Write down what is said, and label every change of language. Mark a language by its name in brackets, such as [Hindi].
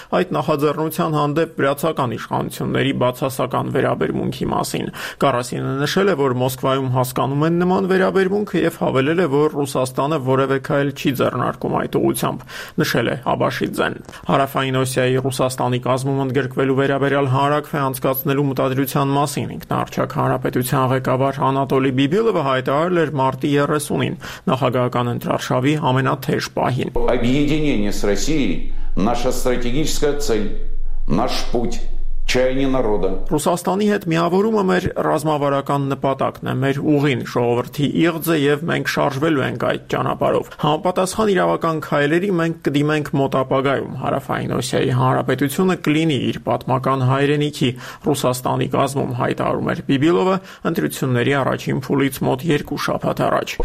[Armenian] այդ նախաձեռնության հանդեպ վրացական իշխանությունների բացասական վերաբերմունքի մասին։ Կարասինը նշել է, որ Մոսկվայում հասկանում են նման վերաբերմունքը և հավելել է, որ Ռուսաստանը որևէ քայլ չի ձեռնարկում այդ ուղությամբ, նշել է Աբաշիձեն։ Հարավային Օսիայի Ռուսաստանի կազմում ընդգրկվելու վերաբերյալ հանրաքվե անցկացնելու մտադրության մասին ինքնարչակ հանրապետության ղեկավար Անատոլի Բիբիլովը հայտարարել էր մարտի 30-ին, նախագահական ընտրարշավի ամենաթեժ պահին։ [Russian] Объединение с Россией наша стратегическая цель, наш путь. [Armenian] Ռուսաստանի հետ միավորումը մեր ռազմավարական նպատակն է, մեր ուղին, ժողովրդի իղձը, և մենք շարժվելու ենք այդ ճանապարհով։ Համապատասխան իրավական քայլերի մենք կդիմենք մոտապագայում։ Հարավային Օսիայի Հանրապետությունը կլինի իր պատմական հայրենիքի Ռուսաստանի կազմում, հայտարարում էր Բիբիլովը ընտրությունների առաջին փուլից մոտ երկու շաբաթ առաջ։